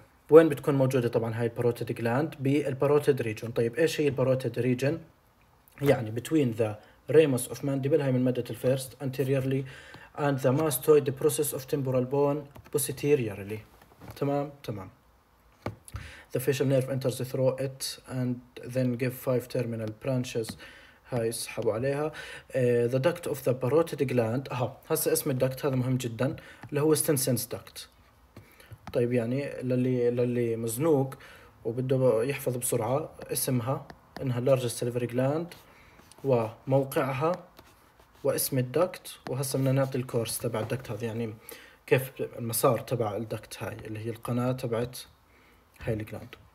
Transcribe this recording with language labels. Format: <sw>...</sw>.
<ar>وين بتكون موجودة طبعا هاي الباروتيد جلاند؟ بالباروتيد ريجون. طيب إيش هي الباروتيد ريجون؟ يعني</ar> <en>between the ramus of mandible،</en> <ar>هاي من مادة الفيرست،</ar> <en>anteriorly and the mastoid the process of temporal bone posteriorly. تمام the facial nerve enters through it and then give five terminal branches.</en> <ar>هاي اسحبوا عليها.</ar> <en>The duct of the parotid gland،</en> <ar>هسا اسم الدكت هذا مهم جدا، اللي هو</ar> <en>stenosis duct.</en> <ar>طيب يعني للي مزنوق وبده يحفظ بسرعة، اسمها انها</ar> <en>largest salivary gland</en> <ar>وموقعها واسم الدكت، وهسا بدنا نعطي الكورس تبع الدكت هذا يعني كيف المسار تبع الدكت هاي اللي هي القناة تبعت هاي الجلاند.</ar>